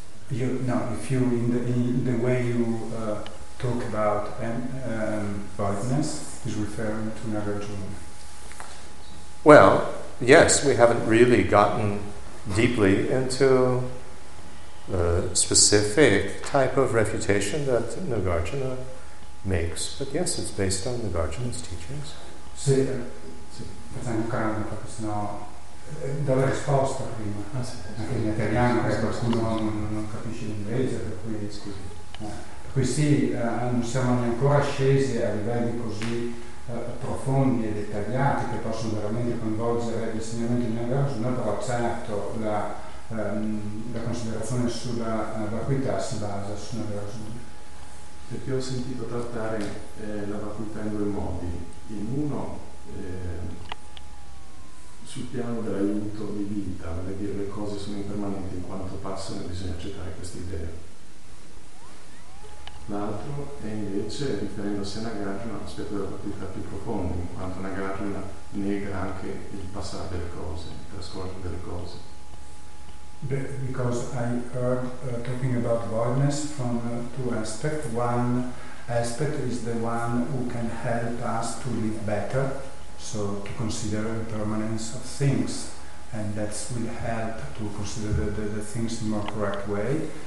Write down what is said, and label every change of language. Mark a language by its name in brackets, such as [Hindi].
[English] If you in the way you talk about baldness is referring to Nagarjuna. Well, yes, we haven't really gotten deeply into a specific type of refutation that Nagarjuna makes, but yes, it's based on Nagarjuna's teachings. [Italian] Sì, sì, facciamo caro, perché sennò dalla risposta prima, anche in italiano, qualcuno non capisce l'inglese, per cui scusi. Per cui sì, non siamo ancora scesi a livelli così profondi e dettagliati che possono veramente coinvolgere gli insegnamenti di Nagarjuna, però certo la considerazione sulla vacuità si basa su una ragione. Perché ho sentito trattare la vacuità in due modi. In uno, sul piano dell'aiuto di vita, vale dire le cose sono impermanenti, in quanto passano bisogna accettare questa idea. L'altro è invece, riferendosi a Nagarjuna, aspetto della vacuità più profonda, in quanto Nagarjuna nega anche il passare delle cose, il trascorrere delle cose. [English] Because I heard talking about voidness from two aspects. One aspect is the one who can help us to live better, so to consider the permanence of things, and that will help to consider the things in a more correct way.